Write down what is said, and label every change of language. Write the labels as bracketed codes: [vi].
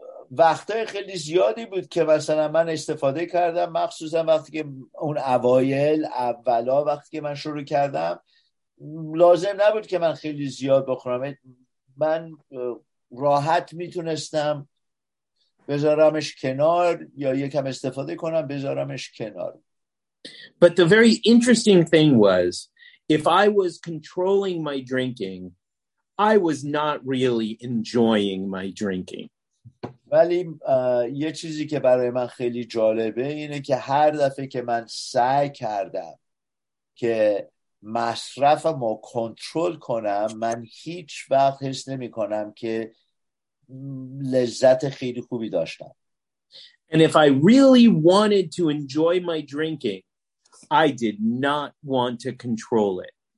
[fa] وقتای خیلی زیادی بود که مثلا من استفاده کردم، مخصوصا وقتی که اون اوایل اولا وقتی که من شروع کردم لازم نبود که من خیلی زیاد بخورم، من راحت میتونستم بذارمش کنار یا یکم استفاده کنم بذارمش کنار. [en] But the very interesting thing was, if I was controlling my drinking, I was not really enjoying my drinking. [fa] ولی یه چیزی که برای من خیلی جالبه اینه که هر دفعه که من سعی کردم که مصرفم رو کنترل کنم، من هیچ وقت حس نمی کنم که لذت خیلی خوبی داشتم. [en] And if I really wanted to enjoy my drinking, I did not want to control it.